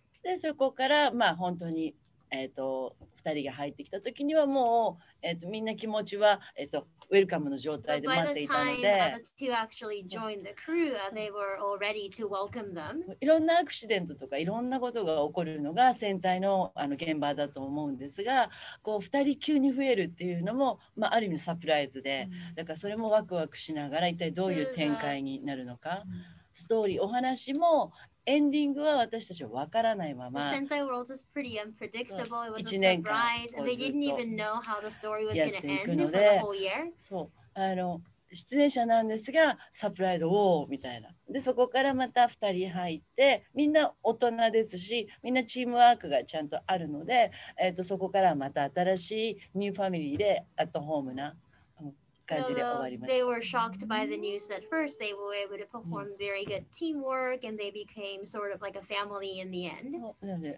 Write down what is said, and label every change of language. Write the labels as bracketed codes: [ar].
[ja] で、そこからまあ本当に2人が入ってきた時にはもう、みんな気持ちは、ウェルカムの状態で待っていたので、いろんなアクシデントとかいろんなことが起こるのが戦隊の、あの現場だと思うんですが、こう2人急に増えるっていうのも、まあ、ある意味サプライズで、だからそれもワクワクしながら一体どういう展開になるのか、ストーリーお話もエンディングは私たちは分からないまま。 [en] Sentai world is pretty unpredictable. It was a surprise. [ja] 1年間 [en] They didn't even know how the story was going to end for the whole year. [ja] そう、あの出演者なんですがサプライズウォーみたいな。でそこからまた2人入ってみんな大人ですし、みんなチームワークがちゃんとあるので、そこからまた新しいニューファミリーでアットホームな。 [en] Although they were shocked by the news at first, they were able to perform very good teamwork and they became sort of like a family in the end.